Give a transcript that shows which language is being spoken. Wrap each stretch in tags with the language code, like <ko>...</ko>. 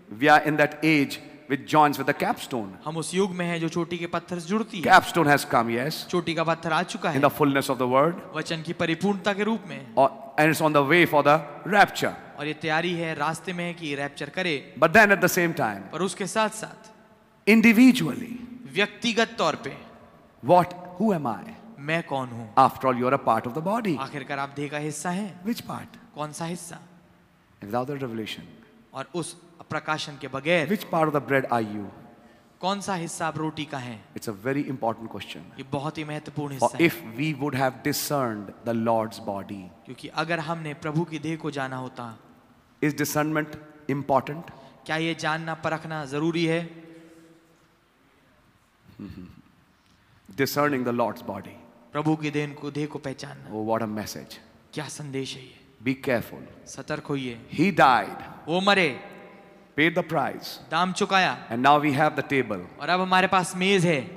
<en>We are in that age which joins with the capstone.</en> <hi>हम उस युग में हैं जो चोटी के पत्थर से जुड़ती है.</hi> <en>Capstone has come, yes.</en> <hi>चोटी का पत्थर आ चुका है.</hi> <en>In the fullness of the word.</en> <hi>वचन की परिपूर्णता के रूप में.</hi> <en>And it's on the way for the rapture.</en> <hi>और ये तैयारी है, रास्ते में है कि ये रैप्चर करे.</hi> <en>But then at the same time.</en> <hi>पर उसके साथ साथ.</hi> <en>Individually.</en> <hi>व्यक्तिगत तौर पे.</hi> <en>What? Who am I?</en> <hi>मैं कौन हूँ?</hi> <en>After all, you are a part of the body.</en> <hi>आखिरकार आप देह का हिस्सा हैं.</hi> <en>Which part?</en> <hi>कौन सा हिस्सा?</hi> <en>Without the revelation.</en> <hi>और उस प्रकाशन के बगैर.</hi> <en>Which part of the bread are you?</en> <hi>कौन सा हिस्सा आप रोटी का हैं?</hi> <en>It's a very important question.</en> <hi>ये बहुत ही महत्वपूर्ण हिस्सा है.</hi> <en>If we would have discerned the Lord's body.</en> <hi>क्योंकि अगर हमने प्रभु की देह को जाना होता.</hi> <en>Is discernment important?</en> <hi>क्या ये जानना परखना जरूरी है?</hi> <en>Discerning the Lord's body.</en> <hi>प्रभु की देह को पहचानना.</hi> <en>Oh, what a message.</en> <hi>क्या संदेश है ये?</hi> <en>Be careful.</en> <hi>सतर्क होइए.</hi> <en>He died.</en> <hi>वो मरे.</hi> <en>Paid the price.</en> <hi>दाम चुकाया.</hi> <en>And now we have the table.</en> <hi>और अब हमारे पास मेज है.</hi>